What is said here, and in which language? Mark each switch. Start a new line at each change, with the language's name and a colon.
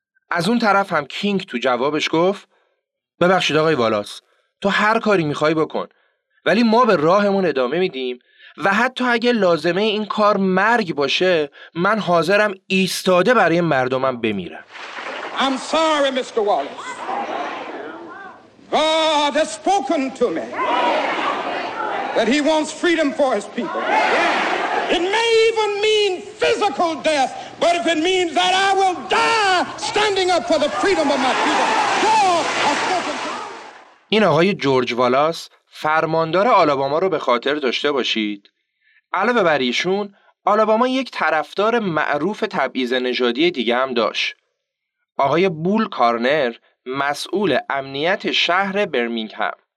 Persian: از اون طرف هم کینگ تو جوابش گفت ببخشید آقای والاس، تو هر کاری میخوای بکن، ولی ما به راهمون ادامه میدیم و حتی اگه لازمه این کار مرگ باشه من حاضرم ایستاده برای مردمم بمیرم.
English: I'm sorry Mr. Wallace. God has spoken to me that he wants freedom for his people. It may even mean physical death, but if it means that I will die standing up for the freedom of my people, God has spoken to me.
Persian: این آقای جورج والاس فرماندار آلاباما رو به خاطر داشته باشید. علاوه بر ایشون، آلاباما یک طرفدار معروف تبعیض نژادی دیگه هم داشت. آقای بول کارنر، مسئول امنیت شهر برمینگهام.